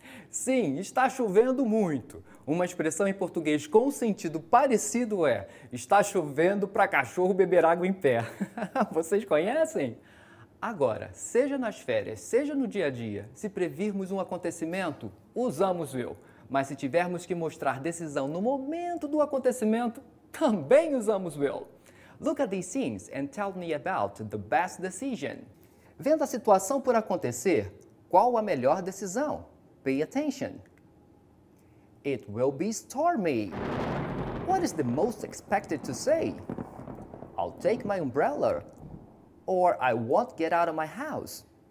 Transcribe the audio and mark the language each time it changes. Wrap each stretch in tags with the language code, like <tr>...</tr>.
<pt>Sim, está chovendo muito. Uma expressão em português com sentido parecido é está chovendo para cachorro beber água em pé. Vocês conhecem? Agora, seja nas férias, seja no dia a dia, se previrmos um acontecimento, usamos eu. Mas se tivermos que mostrar decisão no momento do acontecimento, também usamos eu.</pt> <en>Look at these scenes and tell me about the best decision.</en> <pt>Vendo a situação por acontecer, qual a melhor decisão?</pt> <en>Pay attention. It will be stormy. What is the most expected to say? I'll take my umbrella. Or I won't get out of my house.</en>